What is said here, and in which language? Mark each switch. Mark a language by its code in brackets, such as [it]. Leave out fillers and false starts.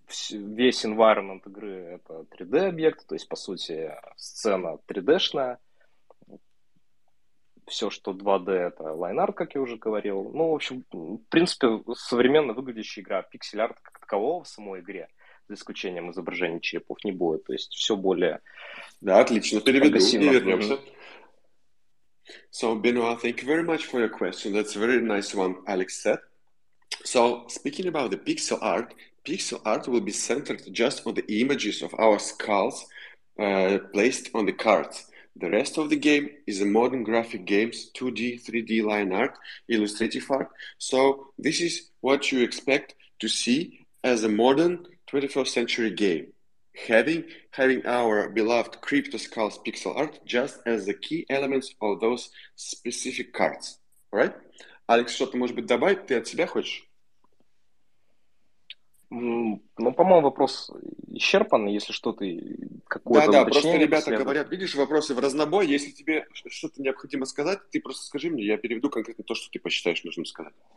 [ru] Весь environment игры — это 3D-объект, то есть, по сути, сцена 3D-шная. Все, что 2D, это лайн-арт, как я уже говорил. Ну, в общем, в принципе, современно выглядящая игра, пиксель-арт как такового в самой игре, за исключением изображения черепов, не будет. То есть все более... Да, отлично. Переведу и вернемся. [en] So, Benoit, thank you very much for your question. That's a very nice one, Alex said. So, speaking about the pixel art will be centered just on the images of our skulls placed on the cards. The rest of the game is a modern graphic games, 2D, 3D line art, illustrative art. So this is what you expect to see as a modern 21st century game, having our beloved CryptoSkulls pixel art just as the key elements of those specific cards. All right? [ru] Алекс, что-то, может быть, добавить? Ты от себя хочешь? Ну, по-моему, вопрос исчерпан, если что-то какое-то уточнение. Да, просто ребята следует... говорят, видишь, вопросы в разнобой. Если тебе что-то необходимо сказать, ты просто скажи мне, я переведу конкретно то, что ты посчитаешь нужным сказать.